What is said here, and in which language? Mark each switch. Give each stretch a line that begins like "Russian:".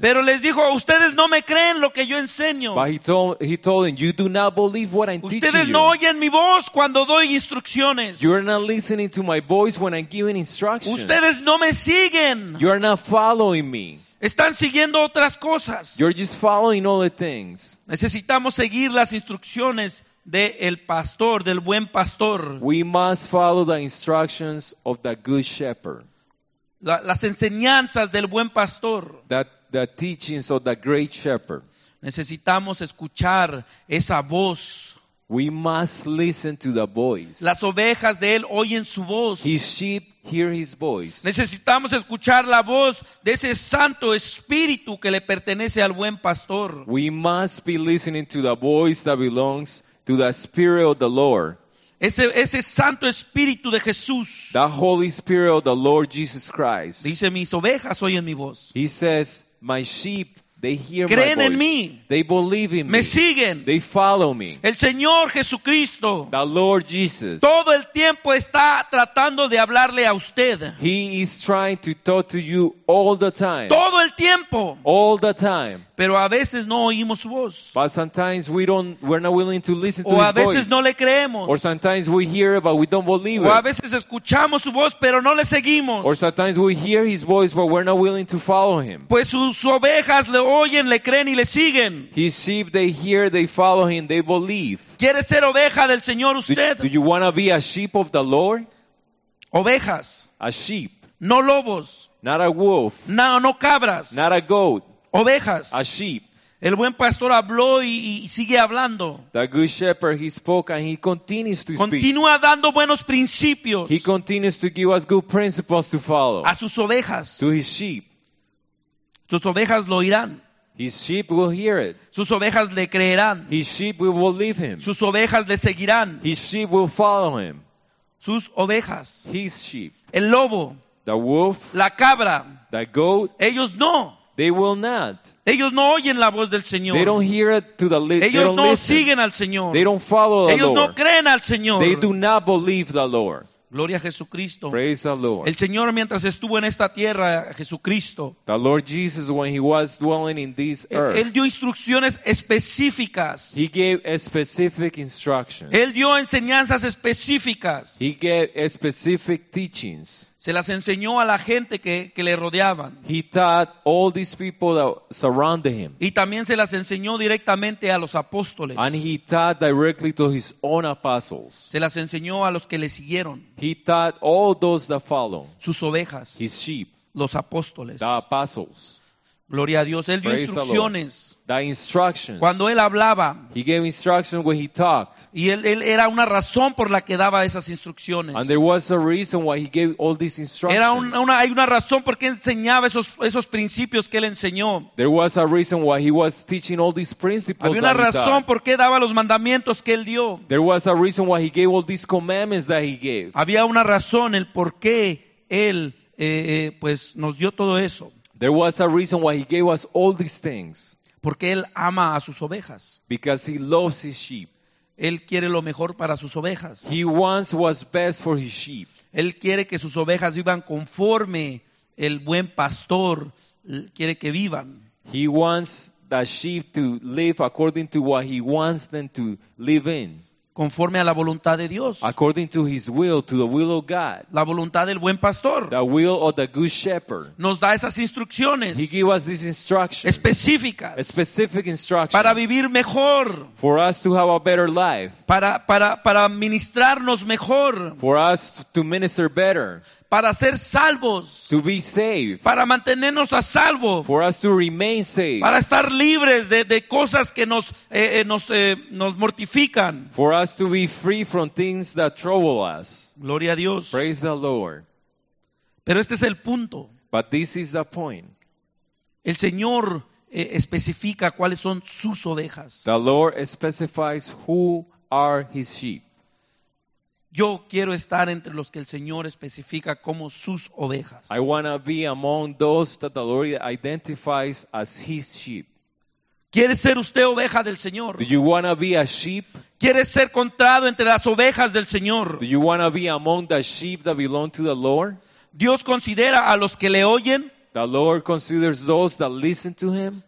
Spanish: Pero les dijo, ustedes no me creen lo que yo enseño.
English: But he told them, you do not believe what I'm teaching you.
Spanish: Ustedes no oyen mi voz cuando doy instrucciones.
English: You're not listening to my voice when I'm giving instructions.
Spanish: Ustedes no me siguen.
English: You're not following me.
Spanish: Están siguiendo otras cosas.
English: You're just following other things.
Spanish: Necesitamos seguir las instrucciones del pastor, del buen pastor.
English: We must follow the instructions of the good shepherd.
Spanish: Las enseñanzas del buen pastor.
English: The teachings of the great shepherd.
Spanish: Necesitamos escuchar esa voz.
English: We must listen to the voice.
Spanish: Las ovejas de él oyen su voz.
English: His sheep hear his voice.
Spanish: Necesitamos escuchar la voz de ese santo espíritu que le pertenece al buen pastor.
English: We must be listening to the voice that belongs to the spirit of the Lord.
Spanish: Ese santo espíritu de Jesús.
English: The Holy Spirit of the Lord Jesus Christ.
Spanish: Dice, mis ovejas oyen mi voz.
English: He says, my sheep, they hear
Spanish: creen
English: my voice.
Spanish: En mí.
English: They believe in me.
Spanish: Me siguen.
English: They follow me.
Spanish: El Señor Jesucristo.
English: The Lord Jesus.
Spanish: Todo el tiempo está tratando de hablarle a usted.
English: He is trying to talk to you all the time.
Spanish: Todo el tiempo.
English: All the time.
Spanish: Pero a veces no oímos su voz.
English: But sometimes we're not willing to listen to his
Spanish: O a veces no le creemos.
English: Or sometimes we hear it but we don't believe it.
Spanish: O a veces escuchamos su voz pero no le seguimos.
English: Or sometimes we hear his voice but we're not willing to follow him.
Spanish: Pues sus ovejas le oyen, le creen y le siguen.
English: His sheep, they hear, they follow him, they believe.
Spanish: ¿Quiere ser oveja del Señor usted?
English: Do you want to be a sheep of the Lord?
Spanish: Ovejas.
English: A sheep.
Spanish: No lobos.
English: Not a wolf.
Spanish: No cabras.
English: Not a goat.
Spanish: Ovejas.
English: A sheep.
Spanish: El buen pastor habló y sigue hablando.
English: The good shepherd, he spoke and he continues to speak.
Spanish: Continúa dando buenos principios.
English: He continues to give us good principles to follow.
Spanish: A sus ovejas.
English: To his sheep.
Spanish: Sus ovejas lo oirán.
English: His sheep will hear it.
Spanish: Sus ovejas le creerán.
English: His sheep will believe him.
Spanish: Sus ovejas le seguirán.
English: His sheep will follow him.
Spanish: Sus ovejas.
English: His sheep.
Spanish: El lobo.
English: The wolf.
Spanish: La cabra.
English: The goat.
Spanish: Ellos no.
English: They will not.
Spanish: Ellos no oyen la voz del Señor.
English: They don't hear it to the listen.
Spanish: Ellos no siguen al Señor.
English: They don't follow the
Spanish: Ellos
English: Lord.
Spanish: Ellos no creen al Señor.
English: They do not believe the Lord.
Spanish: Gloria a Jesucristo.
English: Praise the Lord.
Spanish: El Señor mientras estuvo en esta tierra, Jesucristo.
English: The Lord Jesus when he was dwelling in this earth.
Spanish: Él dio instrucciones específicas.
English: He gave specific instructions.
Spanish: Él dio enseñanzas específicas.
English: He gave specific teachings.
Spanish: Se las enseñó a la gente que le rodeaban.
English: He taught all these people that surrounded him.
Spanish: Y también se las enseñó directamente a los apóstoles.
English: And he taught directly to his own apostles.
Spanish: Se las enseñó a los que le siguieron.
English: He taught all those that followed.
Spanish: Sus ovejas.
English: His sheep.
Spanish: Los apóstoles.
English: The apostles.
Spanish: Gloria a Dios. Él dio instrucciones.
English: The instructions.
Spanish: Cuando él hablaba.
English: He gave instructions when he talked.
Spanish: Y él era una razón por la que daba esas instrucciones.
English: And there was a reason why he gave all these instructions.
Spanish: Era hay una razón por qué enseñaba esos principios que él enseñó.
English: There was a reason why he was teaching all these principles.
Spanish: Había una razón por qué daba los mandamientos que él dio.
English: There was a reason why he gave all these commandments that he gave.
Spanish: Había una razón el por qué él pues nos dio todo eso.
English: There was a reason why he gave us all these things.
Spanish: Porque él ama a sus ovejas.
English: Because he loves his sheep.
Spanish: Él quiere lo mejor para sus ovejas.
English: He wants what's best for his sheep.
Spanish: Él quiere que sus ovejas vivan conforme el buen pastor quiere que vivan.
English: He wants the sheep to live according to what he wants them to live in.
Spanish: Conforme a la voluntad de Dios.
English: According to his will, to the will of God.
Spanish: La voluntad del buen pastor.
English: The will of the good shepherd.
Spanish: Nos da esas instrucciones.
English: He gave us these instructions.
Spanish: Específicas.
English: Specific instructions.
Spanish: Para vivir mejor.
English: For us to have a better life.
Spanish: Para ministrarnos mejor.
English: For us to minister better.
Spanish: para ser salvos,
English: to be saved,
Spanish: para mantenernos a salvo,
English: for us to remain saved,
Spanish: para estar libres de cosas que nos mortifican,
English: for us to be free from things that trouble us.
Spanish: Gloria a Dios.
English: Praise the Lord.
Spanish: Pero este es el punto.
English: But this is the point.
Spanish: El Señor especifica cuáles son sus ovejas.
English: The Lord specifies who are his sheep.
Spanish: Yo quiero estar entre los que el Señor especifica como sus ovejas.
English: I want to be among those that the Lord identifies as his sheep.
Spanish: ¿Quiere ser usted oveja del Señor?
English: Do you want to be a sheep?
Spanish: ¿Quiere ser contado entre las ovejas del Señor?
English: Do you want to be among the sheep that belong to the Lord?
Spanish: Dios considera a los que le oyen.
English: The Lord considers those that listen to him.